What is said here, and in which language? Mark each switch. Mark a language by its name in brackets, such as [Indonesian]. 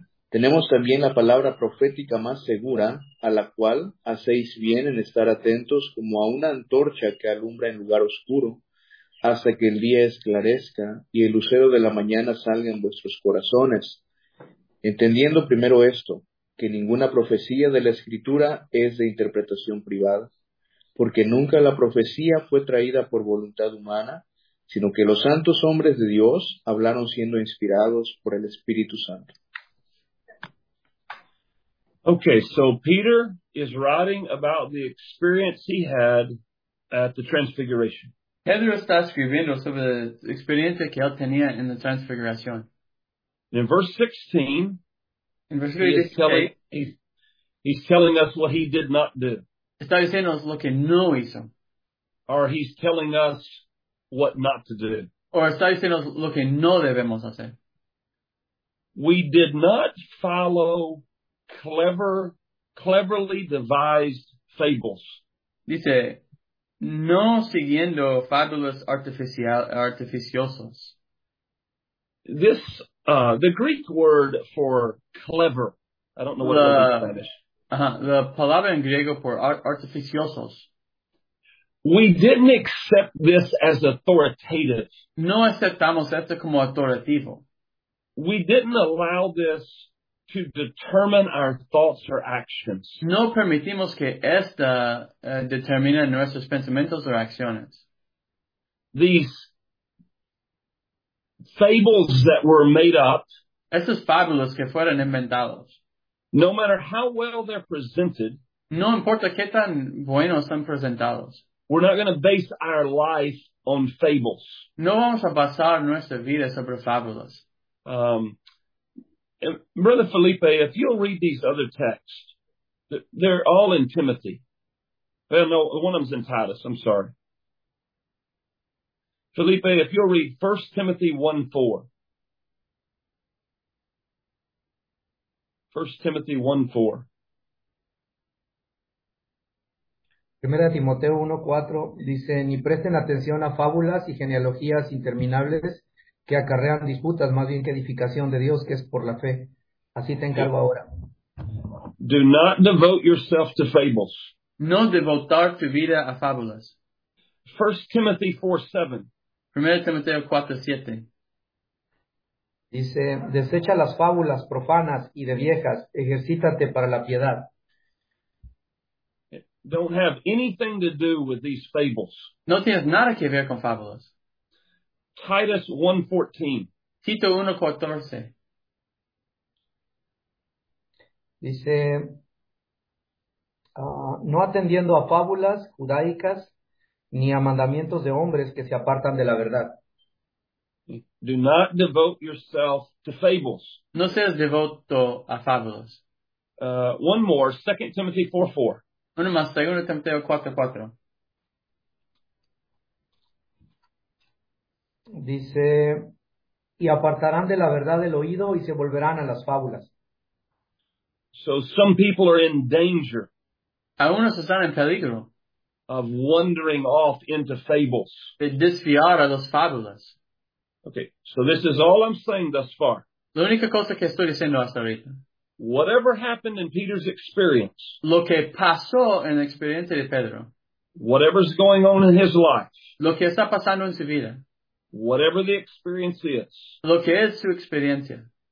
[Spanish] Tenemos también la palabra profética más segura, a la cual hacéis bien en estar atentos como a una antorcha que alumbra en lugar oscuro, hasta que el día esclarezca y el lucero de la mañana salga en vuestros corazones, entendiendo primero esto, que ninguna profecía de la Escritura es de interpretación privada, porque nunca la profecía fue traída por voluntad humana, sino que los santos hombres de Dios hablaron siendo inspirados por el Espíritu Santo. [English] Okay, so Peter is writing about the experience he had at the Transfiguration. [Spanish] Pedro está escribiendo sobre la experiencia que él tenía en la Transfiguración. [English] In verse 16, [Spanish] en versículo 16, [English] he's telling us what he did not do. [Spanish] Está diciéndonos lo que no hizo. [English] Or he's telling us what not to do. [Spanish] O está diciéndonos lo que no debemos hacer. [English] We did not follow cleverly devised fables. [Spanish] Dice, no siguiendo fábulas artificiosas. [English] This, the Greek word for clever, I don't know what it is in Spanish. [Spanish] The palabra en griego por artificiosos. [English] We didn't accept this as authoritative. [Spanish] No aceptamos esto como autoritativo. [English] We didn't allow this to determine our thoughts or actions. [Spanish] No permitimos que esta determine nuestros pensamientos o acciones. [English] These fables that were made up. [Spanish] Estas fábulas que fueron inventados. [English] No matter how well they're presented. [Spanish] No importa qué tan buenos están presentados. [English] We're not going to base our life on fables. [Spanish] No vamos a basar nuestra vida sobre fábulas. [English] Brother Felipe, if you'll read these other texts, they're all in Timothy. Well, no, one of them's in Titus. I'm sorry. Felipe, if you'll read 1 Timothy 1:4. 1 Timothy 1:4. [Spanish] Primera Timoteo 1:4 dice, ni presten atención a fábulas y genealogías interminables que acarrean disputas, más bien que edificación de Dios, que es por la fe. Así te encargo ahora. [English] Do not devote yourself to fables. [Spanish] No devotar tu vida a fábulas. [English] 1 Timothy 4:7. [Spanish] Primera Timoteo 4:7. Dice, desecha las fábulas profanas y de viejas, ejercítate para la piedad. [English] Don't have anything to do with these fables. [Spanish] No tienes nada que ver con fábulas. [English] Titus 1:14. [Spanish] Tito 1:14. Dice, no atendiendo a fábulas judaicas ni a mandamientos de hombres que se apartan de la verdad. [English] Do not devote yourself to fables. [Spanish] No seas devoto a fábulas. [English] One more, 2 Timothy 4:4. [Spanish] Uno más, 2 Timoteo 4:4. Dice, y apartarán de la verdad del oído y se volverán a las fábulas. [English] So some people are in danger. [Spanish] Algunos están en peligro. [English] Of wandering off into fables. [Spanish] De desviar a las fábulas. [English] Okay, so this is all I'm saying thus far. [Spanish] La única cosa que estoy diciendo hasta ahorita. [English] Whatever happened in Peter's experience. [Spanish] Lo que pasó en la experiencia de Pedro. [English] Whatever's going on in his life. [Spanish] Lo que está pasando en su vida. [English] Whatever the experience is. [Spanish] Lo que es su experiencia.